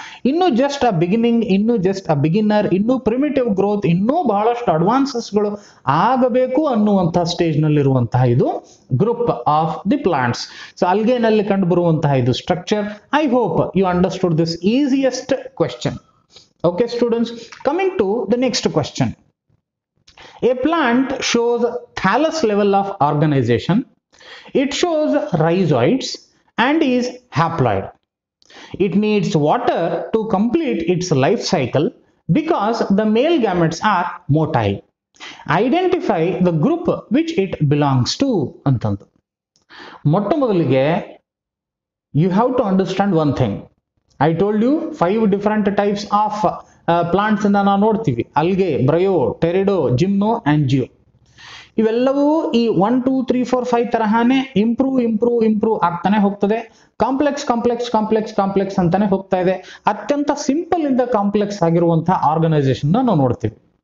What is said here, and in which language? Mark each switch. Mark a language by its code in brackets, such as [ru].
[kn] ಇನ್ನೂ [en] just a beginning, [kn] ಇನ್ನೂ [en] just a beginner, [kn] ಇನ್ನೂ ಪ್ರಿಮಿಟಿವ್ ಗ್ರೋತ್, ಇನ್ನೂ ಬಹಳಷ್ಟು ಅಡ್ವಾನ್ಸಸ್ಗಳು ಆಗಬೇಕು ಅನ್ನುವಂತಹ ಸ್ಟೇಜ್ನಲ್ಲಿರುವಂತಹ ಇದು [en] Group of the plants. [kn] So ಅಲ್ಗೆನಲ್ಲಿ ಕಂಡು ಬರುವಂತಹ ಇದು structure. [en] I hope you understood this easiest question. Okay, students, coming to the next question. A plant shows thallus level of organization. It shows rhizoids and is haploid. It needs water to complete its life cycle because the male gametes are motile. Identify the group which it belongs to. Antandu. [kn] Motto modalige, [en] you have to understand one thing. I told you 5 different types of plants [kn] ಅನ್ನ ನಾವು ನೋಡ್ತೀವಿ. ಅಲ್ಗೆ, ಬ್ರಯೋ, ಟೆರಿಡೋ, ಜಿಮ್ನೋ, angio, ಇವೆಲ್ಲವೂ ಈ 1, 2, 3, 4, 5 ತರಹಾನೇ improve improve improve ಆಗ್ತಾನೆ ಹೋಗ್ತದೆ. Complex complex complex complex ಅಂತಾನೆ ಹೋಗ್ತಾ ಇದೆ. ಅತ್ಯಂತ ಸಿಂಪಲ್ ಇಂದ ಕಾಂಪ್ಲೆಕ್ಸ್ ಆಗಿರುವಂತಹ ಆರ್ಗನೈಸೇಷನ್ ನಾವು ನೋಡ್ತೀವಿ.